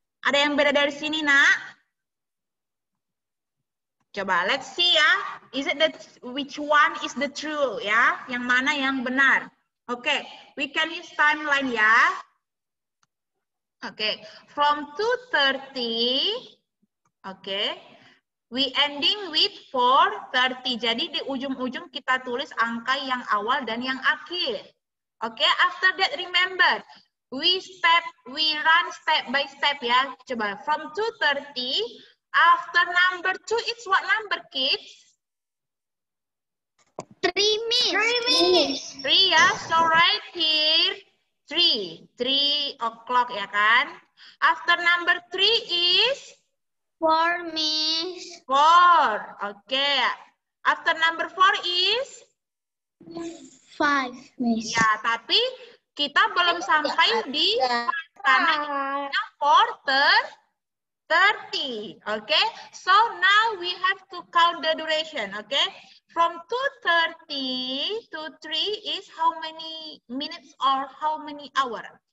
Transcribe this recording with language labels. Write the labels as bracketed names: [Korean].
[Indonesian] Ada yang beda dari sini, nak? Coba, [English] let's see, ya. Is it that which one is the true, ya? [Indonesian] Yang mana yang benar? [English] Okay, we can use timeline, ya. Okay, from 2:30, okay, we ending with 4:30. [Indonesian] Jadi di ujung-ujung kita tulis angka yang awal dan yang akhir. [English] Okay, after that remember, we run step by step ya. [Indonesian] Coba, [English] from 2:30, after number 2, it's what number, kids? 3, Miss. 3, ya, so right here. 3 o'clock [Indonesian] ya kan. [English] After number 3 is 4, Miss. 4. Okay. After number 4 is 5, Miss. [Indonesian] Ya, tapi kita belum sampai di karena ini 4:30. [English] Okay. So now we have to count the duration, okay? From 2:30 to 3 is how many minutes or how many hour?